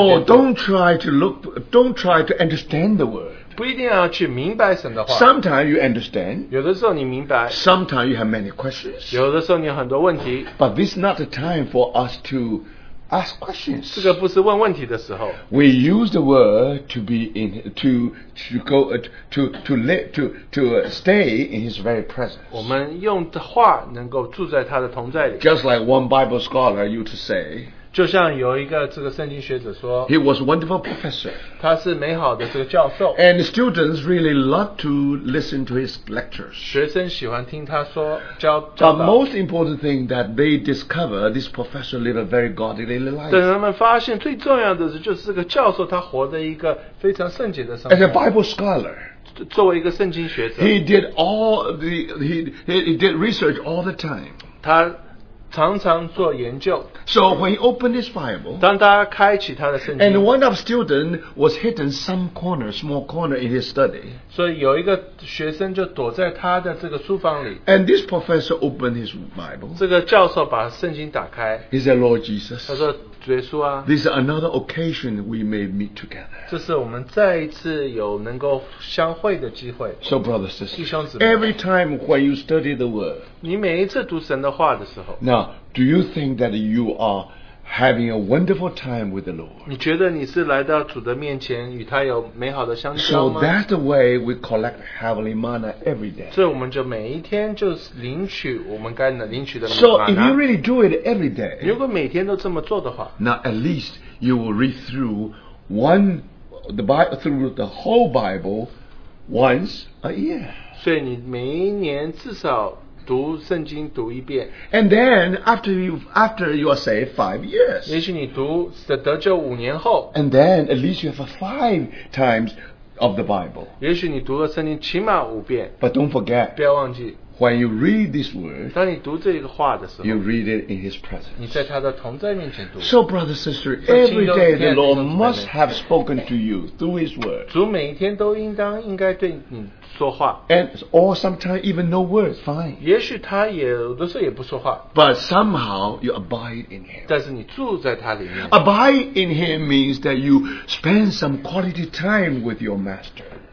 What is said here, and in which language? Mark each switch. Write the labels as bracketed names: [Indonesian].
[English] Oh, don't try to look, don't try to understand the word. [Chinese] 不一定要去明白神的话。 [English] Sometimes you understand. [Chinese] 有的时候你明白。 [English] Sometimes you have many questions. [Chinese] 有的时候你有很多问题。 [English] But this is not the time for us to ask questions. [Chinese] 这个不是问问题的时候。 [English] We use the word to be in, to stay in His very presence. [Chinese] 我们用的话能够住在他的同在里。 [English] Just like one Bible scholar used to say. [Chinese] 就像有一个这个圣经学者说, [English] he was a wonderful professor. [Chinese] 他是美好的这个教授, [English] and students really love to listen to his lectures. [Chinese] 学生喜欢听他说, 教, [English] the most important thing that they discover, this professor lived a very godly life. [Chinese] 等他们发现最重要的是, 就是这个教授, 他活得一个非常圣洁的生活。 [English] As a Bible scholar, [Chinese] 作为一个圣经学者, [English] he did all the, he did research all the time. [Chinese] 常常做研究。 [English] So when he opened his Bible, [Chinese] 当他开启他的圣经, [English] and one of students was hidden some corner, small corner in his study. [Chinese] 所以有一个学生就躲在他的这个书房里, [English] and this professor opened his Bible. [Chinese] 这个教授把圣经打开, [English] he said, Lord Jesus, [Chinese] 他说, 主耶稣啊, [English] this is another occasion we may meet together. [Chinese] 这是我们再一次有能够相会的机会。 [English] So brothers and sisters, [Chinese] 弟兄姊妹, [English] every time when you study the word, [Chinese] 你每一次读神的话的时候, [English] now, do you think that you are having a wonderful time with the Lord? [Chinese] 你觉得你是来到主的面前与他有美好的相交吗? [English] So that's the way we collect heavenly manna every day. [Chinese] 所以我们就每一天就领取我们该领取的manna。 [English] So if you really do it every day, [Chinese] 如果每天都这么做的话, [English] now at least you will read through one, the Bible, through the whole Bible once a year. [Chinese] 所以你每一年至少 读圣经读一遍, [English] and then after you are saved 5 years, [Chinese] 也许你读得救五年后, [English] and then at least you have five times of the Bible, [Chinese] 也许你读了圣经起码五遍, [English] but don't forget, [Chinese] 不要忘记, [English] when you read this word, [Chinese] 当你读这个话的时候, [English] you read it in His presence, [Chinese] 你在他的同在面前读。 [English] So brother, sister, every day the Lord must have spoken to you through His word. [Chinese] 主每一天都应该对你 说话, [English] and or sometimes even no words, fine. [Chinese] 也许他有的时候也不说话, [English] but somehow you abide in Him. [Chinese] 但是你住在他里面。 [English] Abide in Him means that you spend some quality time with your Master.